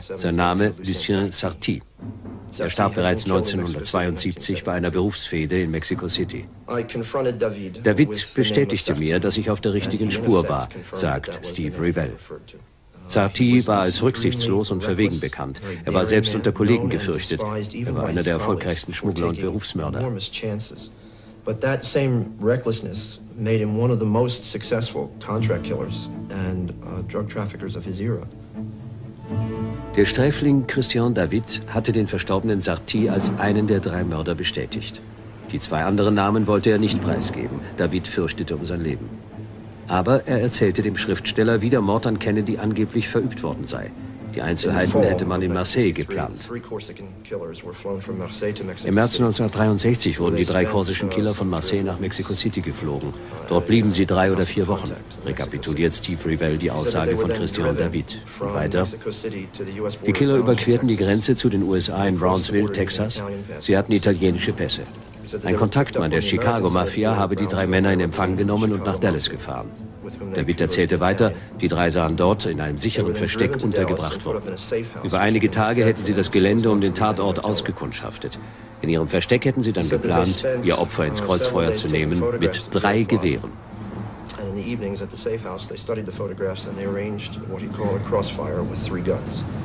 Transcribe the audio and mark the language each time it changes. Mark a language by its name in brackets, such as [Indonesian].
[German] Sein Name Lucien Sarti. Er starb bereits 1972 bei einer Berufsfehde in Mexico City. David bestätigte mir, dass ich auf der richtigen Spur war, sagt Steve Revell. Sarti war als rücksichtslos und verwegen bekannt. Er war selbst unter Kollegen gefürchtet. Er war einer der erfolgreichsten Schmuggler und Berufsmörder. [English] But that same recklessness made him one of the most successful contract killers and drug traffickers of his era. [German] Der Sträfling Christian David hatte den verstorbenen Sarti als einen der 3 Mörder bestätigt. Die 2 anderen Namen wollte er nicht preisgeben. David fürchtete um sein Leben. Aber er erzählte dem Schriftsteller, wie der Mord an Kennedy angeblich verübt worden sei. Die Einzelheiten hätte man in Marseille geplant. Im März 1963 wurden die 3 korsischen Killer von Marseille nach Mexico City geflogen. Dort blieben sie 3 oder 4 Wochen, rekapituliert Steve Revell die Aussage von Christian David. Und weiter. Die Killer überquerten die Grenze zu den USA in Brownsville, Texas. Sie hatten italienische Pässe. Ein Kontaktmann der Chicago-Mafia habe die 3 Männer in Empfang genommen und nach Dallas gefahren. David erzählte weiter, die 3 seien dort in einem sicheren Versteck untergebracht worden. Über einige Tage hätten sie das Gelände um den Tatort ausgekundschaftet. In ihrem Versteck hätten sie dann geplant, ihr Opfer ins Kreuzfeuer zu nehmen mit 3 Gewehren. [English] the evenings at the safe house, they studied the photographs and they arranged what he called a crossfire with three guns.